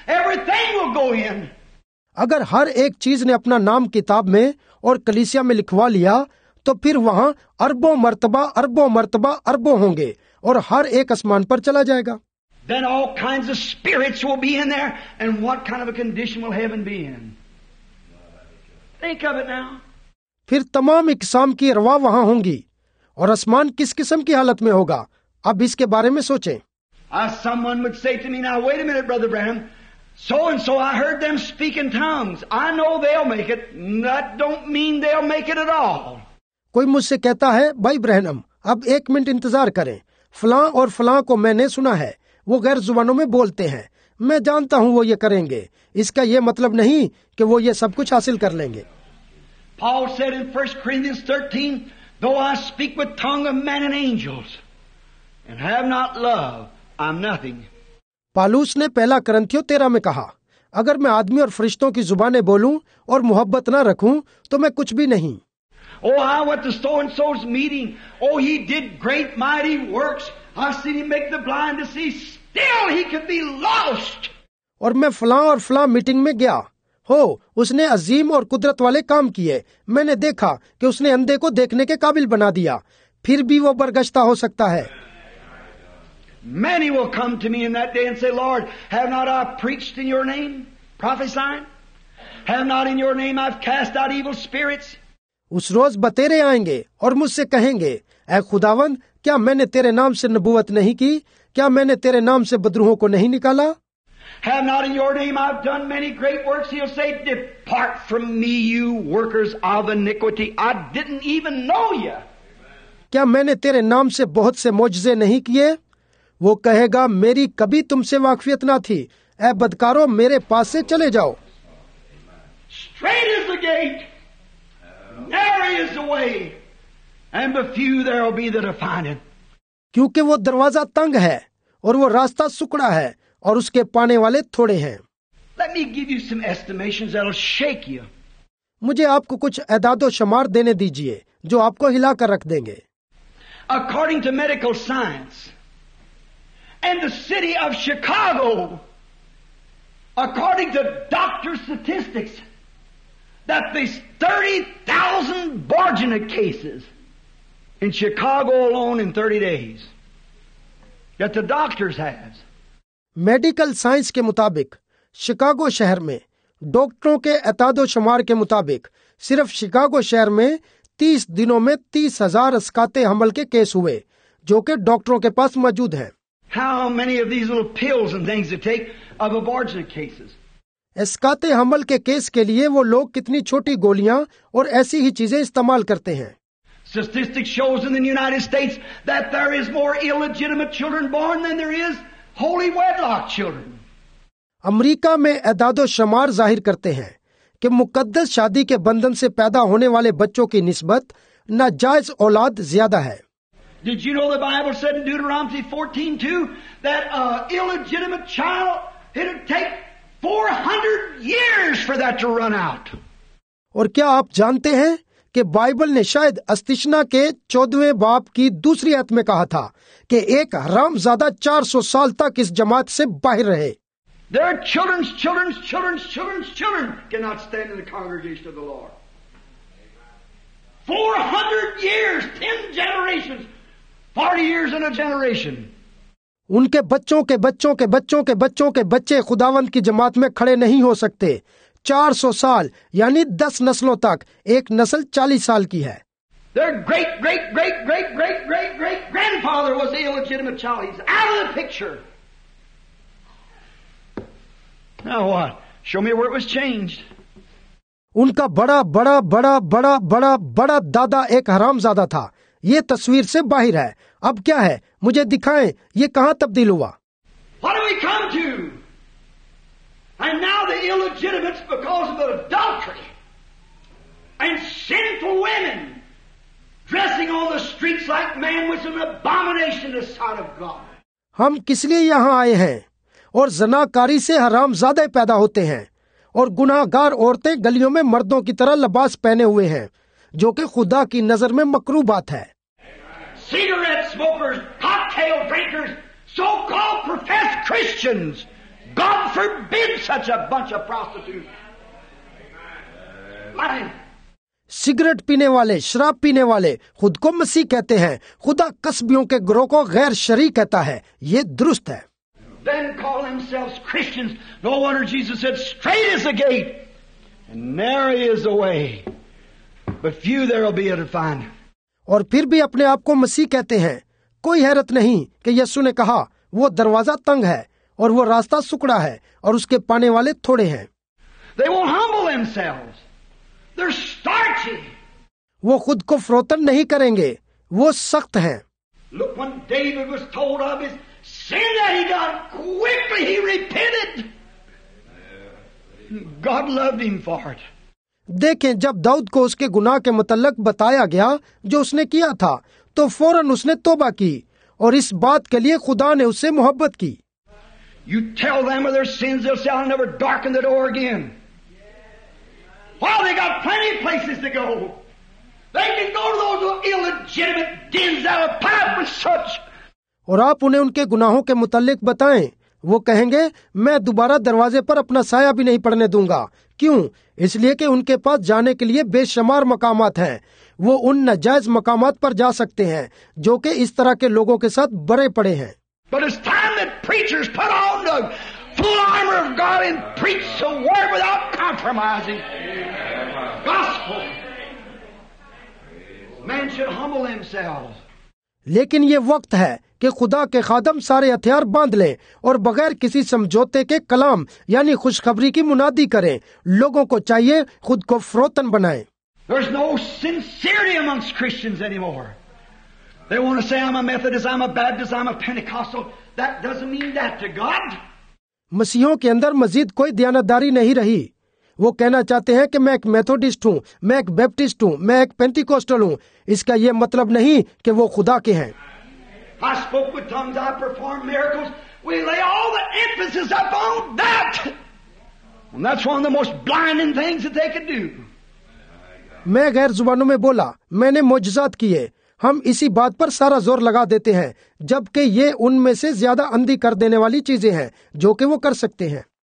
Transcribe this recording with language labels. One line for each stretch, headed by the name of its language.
English: Everything will go in.
Hindi: अगर हर एक चीज ने अपना नाम किताब में और कलीसिया में लिखवा लिया, तो फिर वहाँ अरबों मर्तबा अरबों मर्तबा अरबों होंगे और हर एक आसमान पर चला जाएगा.
English: Then all kinds of spirits will be in there, and what kind of a condition will heaven be in? Think of it now.
Hindi: फिर तमाम इकसाम की रवा वहाँ होंगी और आसमान किस किस्म की हालत में होगा? अब इसके बारे में सोचें.
English: As someone would say to me, now wait a minute, Brother Branham. So and so, I heard them speak in tongues. I know they'll make it. That don't mean they'll make it at all.
Hindi: कोई मुझसे कहता है, भाई ब्रहनम, अब एक minute इंतजार करें. फलां और फलां को मैंने सुना है. वो गैर जुबानों में बोलते हैं. मैं जानता हूँ वो ये करेंगे. इसका ये मतलब नहीं कि वो ये सब कुछ हासिल कर लेंगे.
English: Paul said in 1 Corinthians 13, though I speak with tongue of men and angels, and have not love, I'm nothing.
Hindi: Paulus ने पहला करंथियों 13 में कहा, अगर मैं आदमी और फरिश्तों की जुबानें बोलूं और मोहब्बत ना रखूं, तो मैं कुछ भी नहीं.
English: Oh, I went to so and so's meeting. Oh, he did great mighty works. I seen him make the blind to see. Still, he could be lost.
Hindi: और मैं फलां और फलां मीटिंग में गया. हो, उसने अजीम और कुदरत वाले काम किए. मैंने देखा कि उसने अंधे को देखने के काबिल बना दिया. फिर भी वो बरगश्ता हो सकता है.
English: Many will come to me in that day and say, Lord, have not I preached in your name, prophesying? Have not in your name I've cast out evil spirits?
Hindi: उस रोज बतेरे आएंगे और मुझसे कहेंगे, ऐ खुदावंद, क्या मैंने तेरे नाम से नबुवत नहीं की? क्या मैंने तेरे नाम से बदरुहों को नहीं निकाला?
English: Have not in your name I've done many great works? He'll say, depart from me, you workers of iniquity. I didn't even know you.
Hindi: क्या मैंने तेरे नाम से बहुत से मौजज़े नहीं किए? वो कहेगा, मेरी कभी तुमसे वाकफियत ना थी. ऐ बदकारों, मेरे पास से चले जाओ.
English: Straight is the gate. narrow is the way, and the few there will be that are finding.
Hindi: क्योंकि वो दरवाजा तंग है और वो रास्ता सुकड़ा है और उसके पाने वाले थोड़े हैं.
English: Let me give you some estimations that'll shake you.
Hindi: मुझे आपको कुछ एदादो शमार देने दीजिए जो आपको हिला कर रख देंगे.
English: According to medical science, and the city of Chicago, according to doctor statistics, that there's 30,000 Borgina cases in Chicago alone in 30 days. That the doctors has. Medical science
Hindi: के मुताबिक शिकागो शहर में डॉक्टरों के एतादो शुमार के मुताबिक सिर्फ शिकागो शहर में 30 दिनों में 30,000 अस्काते हमल के केस हुए जो कि डॉक्टरों के पास मौजूद हैं।
English: How many of these little pills and things they take of abortion cases?
Hindi: अस्काते हमल के केस के लिए वो लोग कितनी छोटी गोलियां और ऐसी ही चीजें इस्तेमाल करते हैं.
English: Statistics shows in the United States that there is more illegitimate children born than there is holy wedlock children.
Hindi: America में एदादो शमार जाहिर करते हैं कि मुकद्दस शादी के बंधन से पैदा होने वाले बच्चों की निस्बत नाजायज औलाद ज्यादा है.
English: Did you know the Bible said in Deuteronomy 14:2 that a illegitimate child it'd take 400 years for that to run out?
Hindi: और क्या आप जानते हैं कि बाइबल ने शायद अस्तिष्णा के 14वें बाप की दूसरी आयत में कहा था कि एक हरामजादा 400 साल तक इस जमात से बाहर रहे.
English: Their children's children's children's children's children cannot stand in the congregation of the Lord. 400 years, 10 generations, 40 years in a generation.
Hindi: उनके बच्चों के बच्चों के बच्चों के बच्चों के बच्चे खुदावंद की जमात में खड़े नहीं हो सकते. 400 साल यानी 10 नस्लों तक एक नस्ल 40 साल की है.
English: Their great great great great great great great grandfather was the illegitimate child. He's out of the picture. Now what? Show me where it was changed.
Hindi: उनका बड़ा बड़ा बड़ा बड़ा बड़ा बड़ा दादा एक हरामजादा था. ये तस्वीर से बाहर है. अब क्या है? मुझे दिखाएं ये कहां तब्दील हुआ.
English: What have we come to? And now the illegitimates because of adultery and sinful women dressing on the streets like men was an abomination to the sight of God.
Hindi: हम किस लिए यहां आए हैं? और जनाकारी से हरामजादे पैदा होते हैं और गुनाहगार औरतें गलियों में मर्दों की तरह लिबास पहने हुए हैं जो कि खुदा की नजर में मकरूह बात है.
English: Cigarette smokers, cocktail drinkers, so called professed Christians, God forbid such a bunch of prostitutes.
Hindi: Cigarette पीने वाले, शराब पीने वाले खुद को मसीह कहते हैं, खुदा कस्बियों के ग्रोह को गैर शरी कहता है. ये दुरुस्त है.
English: Then call themselves Christians. No wonder Jesus said, "Straight is the gate, and narrow is the way, but few there will be that find."
Hindi: और फिर भी अपने आप को मसीह कहते हैं. कोई हैरत नहीं कि यीशु ने कहा, वो दरवाजा तंग है और वो रास्ता सुकड़ा है और उसके पाने वाले थोड़े हैं.
English: They won't humble themselves. They're starchy.
Hindi: वो खुद को फ्रोतन नहीं करेंगे. वो सख्त हैं.
English: Look when David was told of his sin that he got quickly, he repented. God loved him for it.
Hindi: देखें, जब दाऊद को उसके गुनाह के मुतलक बताया गया जो उसने किया था, तो फौरन उसने तोबा की और इस बात के लिए खुदा ने उससे मोहब्बत की.
English: You tell them of their sins, they'll say, "I'll never darken the door again." Well, they got plenty of places to go. They can go to those illegitimate dens out of pipe and such.
Hindi: और आप उन्हें उनके गुनाहों के मुतालिक बताएं, वो कहेंगे, मैं दोबारा दरवाजे पर अपना साया भी नहीं पड़ने दूंगा. क्यों? इसलिए कि उनके पास जाने के लिए बेशमार मकामात हैं. वो उन नजायज मकामात पर जा सकते हैं जो कि इस तरह के लोगों के साथ बड़े पड़े हैं.
English: But it's time that preachers put on the full armor of God and preach the word without compromising. Gospel. Man should humble themselves.
Hindi: लेकिन ये वक्त है कि खुदा के खादम सारे हथियार बांध लें और बगैर किसी समझौते के कलाम यानी खुशखबरी की मुनादी करें. लोगों को चाहिए खुद को फ्रोतन बनाएं.
English: There's no sincerity amongst Christians anymore. They want to say I'm a Methodist, I'm a Baptist, I'm a Pentecostal. That doesn't mean that to God.
Hindi: मसीहों के अंदर मजीद कोई दयानतदारी नहीं रही. वो कहना चाहते हैं कि मैं एक मेथोडिस्ट हूँ, मैं एक बैप्टिस्ट हूँ, मैं एक पेंटिकोस्टल हूँ। इसका ये मतलब नहीं कि वो खुदा के हैं।
English: I spoke with tongues, I performed miracles. We lay all the emphasis upon that. And that's one of the most blinding things that they could do.
Hindi: मैं गैर जुबानों में बोला, मैंने मौजजात किए। हम इसी बात पर सारा जोर लगा देते हैं, जबकि ये उनमें से ज्यादा अंधी कर देने वाली चीजें हैं जो कि वो कर सकते हैं।